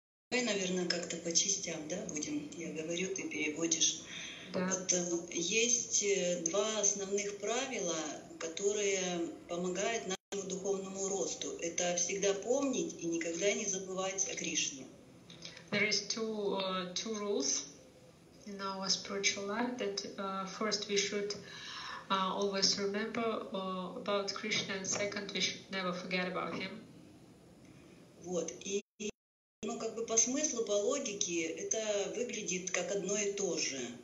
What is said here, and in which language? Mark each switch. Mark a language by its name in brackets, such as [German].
[Russian] Давай, наверное, как-то по частям, да, будем. Я говорю, ты переводишь. Да. Вот, есть два основных правила, которые помогают нашему духовному росту. Это всегда помнить и никогда не забывать о Кришне. [English] There is two rules in our spiritual life that first we should always remember about Krishna, and second, we should never forget about him. [Russian] Вот. И, ну, как бы по смыслу, по логике, это выглядит как одно и то же.